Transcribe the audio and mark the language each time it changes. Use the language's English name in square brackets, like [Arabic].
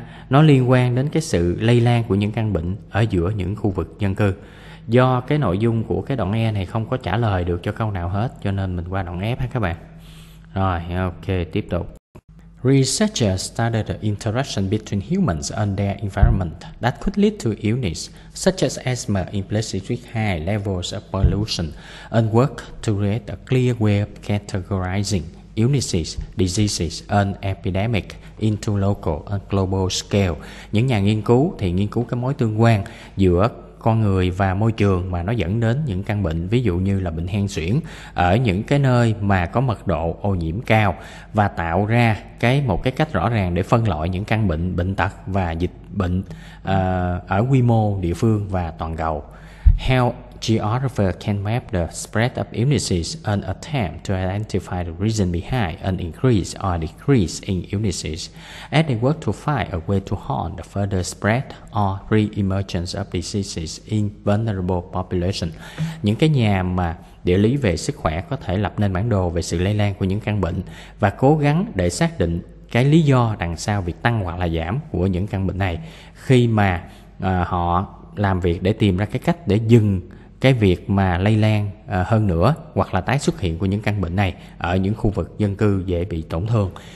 [Vietnamese] Nó liên quan đến cái sự lây lan của những căn bệnh ở giữa những khu vực dân cư. Do cái nội dung của cái đoạn E này không có trả lời được cho câu nào hết, cho nên mình qua đoạn F ha các bạn. Rồi, ok, tiếp tục. [English] Researchers studied the interaction between humans and their environment that could lead to illness, such as asthma in places with high levels of pollution, and work to create a clear way of categorizing illnesses, diseases, and epidemic into local and global scale. [Vietnamese] Những nhà nghiên cứu thì nghiên cứu cái mối tương quan giữa con người và môi trường mà nó dẫn đến những căn bệnh, ví dụ như là bệnh hen suyễn ở những cái nơi mà có mật độ ô nhiễm cao, và tạo ra một cái cách rõ ràng để phân loại những căn bệnh, bệnh tật và dịch bệnh ở quy mô địa phương và toàn cầu. [English] Geographer can map the spread of illnesses and attempt to identify the reason behind an increase or decrease in illnesses as they work to find a way to halt the further spread or re-emergence of diseases in vulnerable populations. [Vietnamese] Những cái nhà mà địa lý về sức khỏe có thể lập nên bản đồ về sự lây lan của những căn bệnh và cố gắng để xác định cái lý do đằng sau việc tăng hoặc là giảm của những căn bệnh này khi mà họ làm việc để tìm ra cái cách để dừng cái việc mà lây lan hơn nữa hoặc là tái xuất hiện của những căn bệnh này ở những khu vực dân cư dễ bị tổn thương.